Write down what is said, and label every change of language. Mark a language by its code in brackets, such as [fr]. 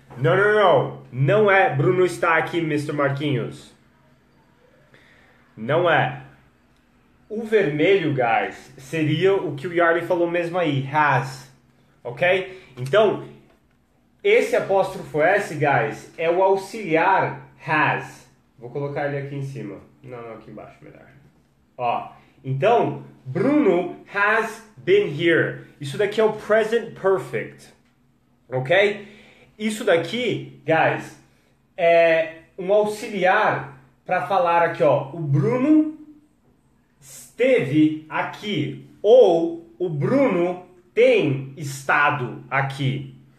[pt] Não, não, não. Não é Bruno está aqui, Mr. Marquinhos. Não é. O vermelho, guys, seria o que o Yarley falou mesmo aí, has. Ok? Então, esse apóstrofo S, guys, é o auxiliar has. Vou colocar ele aqui em cima. Não, não, aqui embaixo, melhor. Ó, então, [en] Bruno has been here. [pt] Isso daqui é o present perfect. Ok? Isso daqui, guys, é um auxiliar para falar aqui, ó. O Bruno esteve aqui, ou o Bruno tem estado aqui.